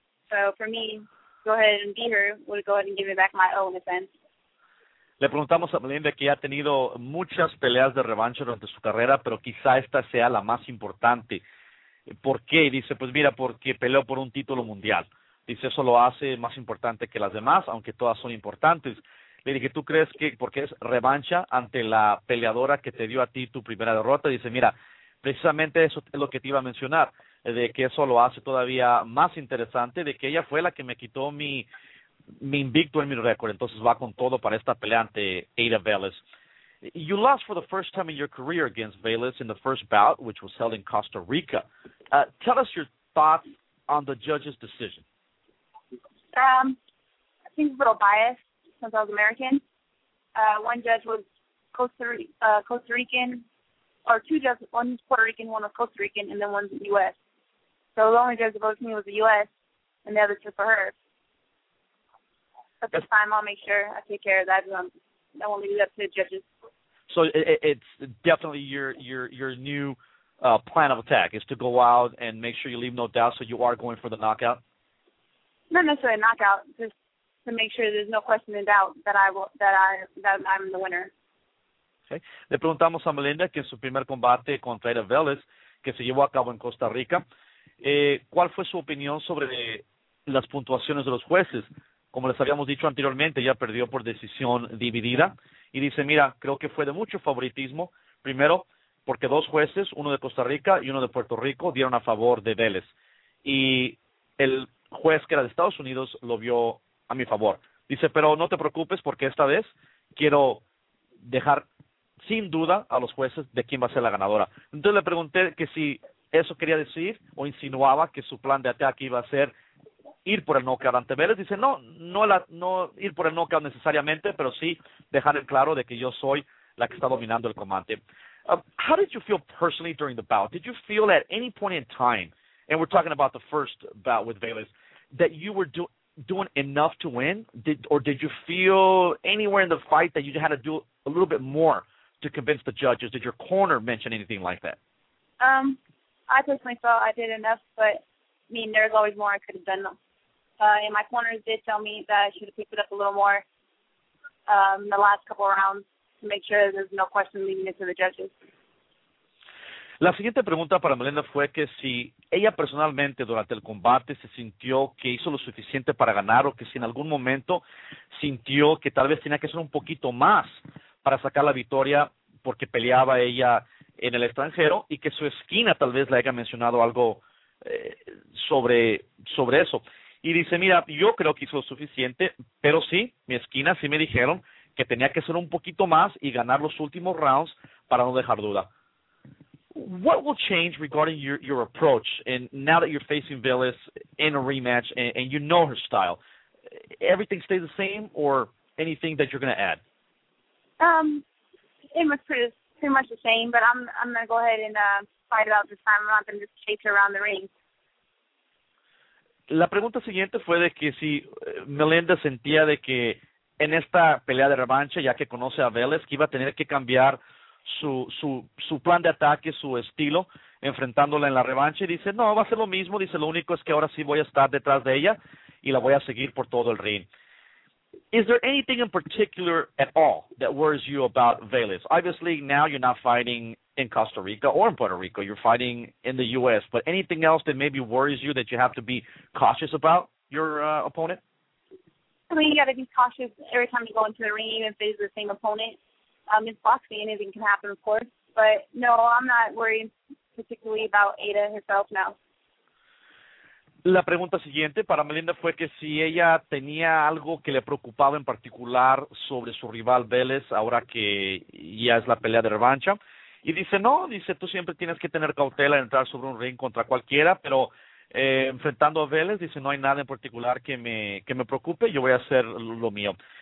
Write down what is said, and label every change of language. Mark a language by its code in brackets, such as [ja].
[en] So for me, go ahead and beat her would go ahead and give me back my O in a sense. [es] Le preguntamos a Melinda que ha tenido muchas peleas de revancha durante su carrera, pero quizá esta sea la más importante. ¿Por qué? Dice, pues mira, porque peleó por un título mundial. Dice, eso lo hace más importante que las demás, aunque todas son importantes. Le dije, ¿tú crees que porque es revancha ante la peleadora que te dio a ti tu primera derrota? Dice, mira, precisamente eso es lo que te iba a mencionar, de que eso lo hace todavía más interesante, de que ella fue la que me quitó mi invicto en mi récord. Entonces va con todo para esta pelea ante Ada Velez. [en] You lost for the first time in your career against Velez in the first bout, which was held in Costa Rica. Tell us your thoughts on the judge's decision. I think a little biased since I was American. One judge was Costa Rican, or two judges, one was Puerto Rican, one was Costa Rican, and then one's the U.S. So the only judge that voted for me was the U.S., and the other two for her. But this time, I'll make sure I take care of that. I won't leave it up to the judges. So it's definitely your new plan of attack is to go out and make sure you leave no doubt. So you are going for the knockout. Not necessarily a knockout, just to make sure there's no question in doubt that I'm the winner. Okay. [es] Le preguntamos a Melinda que en su primer combate contra Ada Velez, que se llevó a cabo en Costa Rica, ¿cuál fue su opinión sobre las puntuaciones de los jueces? Como les habíamos dicho anteriormente, ella perdió por decisión dividida. Y dice, mira, creo que fue de mucho favoritismo. Primero, porque dos jueces, uno de Costa Rica y uno de Puerto Rico, dieron a favor de Velez. Y el juez que era de Estados Unidos lo vio a mi favor. Dice, pero no te preocupes porque esta vez quiero dejar sin duda a los jueces de quién va a ser la ganadora. Entonces le pregunté que si eso quería decir o insinuaba que su plan de ataque iba a ser ir por el knockout ante Velez. Dice, no ir por el knockout necesariamente, pero sí dejar en claro de que yo soy la que está dominando el combate. [en] How did you feel personally during the bout? Did you feel at any point in time, and we're talking about the first bout with Velez, that you were doing enough to win? Did you feel anywhere in the fight that you had to do a little bit more to convince the judges? Did your corner mention anything like that? No, I personally felt I did enough, but, I mean, there's always more I could have done. And my corners did tell me that I should have picked it up a little more the last couple of rounds to make sure there's no question leading it to the judges. [es] La siguiente pregunta para Melinda fue que si ella personalmente durante el combate se sintió que hizo lo suficiente para ganar o que si en algún momento sintió que tal vez tenía que hacer un poquito más para sacar la victoria porque peleaba ella en el extranjero y que su esquina tal vez le haya mencionado algo sobre eso. Y dice, mira, yo creo que hizo lo suficiente, pero sí, mi esquina sí me dijeron que tenía que hacer un poquito más y ganar los últimos rounds para no dejar duda. [en] What will change regarding your approach, and now that you're facing Vilas in a rematch and you know her style, everything stays the same or anything that you're going to add? It was pretty much the same, but I'm going to go ahead and fight about this time. I'm not going to just chase her around the ring. [es] La pregunta siguiente fue de que si Melinda sentía de que en esta pelea de revancha, ya que conoce a Vilas, que iba a tener que cambiar su plan de ataque, su estilo, enfrentándola en la revancha, y dice, no, va a ser lo mismo, dice, lo único es que ahora sí voy a estar detrás de ella y la voy a seguir por todo el ring. [en] Is there anything in particular at all that worries you about Vilas? Obviously, now you're not fighting in Costa Rica or in Puerto Rico, you're fighting in the U.S., but anything else that maybe worries you that you have to be cautious about your opponent? I mean, you got to be cautious every time you go into the ring, even if it's the same opponent. It's boxing, anything can happen, of course. But no, I'm not worried particularly about Ada herself now. [es] La pregunta siguiente para Melinda fue que si ella tenía algo que le preocupaba en particular sobre su rival Vilas, ahora que ya es la pelea de revancha. Y dice, no, dice, tú siempre tienes que tener cautela en entrar sobre un ring contra cualquiera, pero enfrentando a Vilas, dice, no hay nada en particular que me preocupe, yo voy a hacer lo mío.